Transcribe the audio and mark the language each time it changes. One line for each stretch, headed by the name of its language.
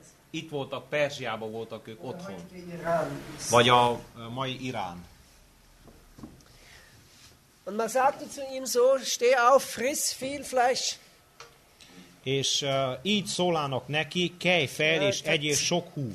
Hungarian: Itt voltak, Perzsiában voltak ők otthon. Vagy a mai Irán.
German: Und man sagte zu ihm so, steh auf, friss viel Fleisch.
Hungarian: És így szólának neki, kelj fel, és egyél sok hús.